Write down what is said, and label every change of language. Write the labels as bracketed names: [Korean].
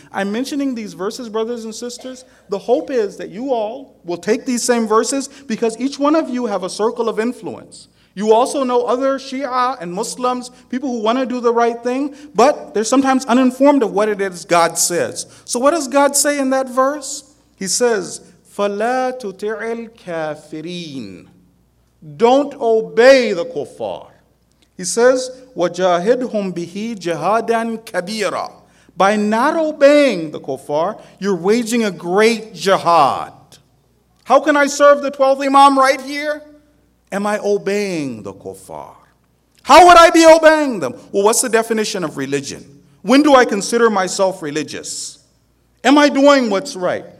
[English] I'm mentioning these verses, brothers and sisters. The hope is that you all will take these same verses because each one of you have a circle of influence. You also know other Shia and Muslims, people who want to do the right thing, but they're sometimes uninformed of what it is God says. So what does God say in that verse? He says, [Arabic] فَلَا تُطِعِ الْكَافِرِينَ. [English] Don't obey the kuffar. He says, [Arabic] وَجَاهِدْهُمْ بِهِ جِهَادًا كَبِيرًا. [English] By not obeying the kuffar, you're waging a great jihad. How can I serve the 12th Imam right here? Am I obeying the kuffar? How would I be obeying them? Well, what's the definition of religion? When do I consider myself religious? Am I doing what's right?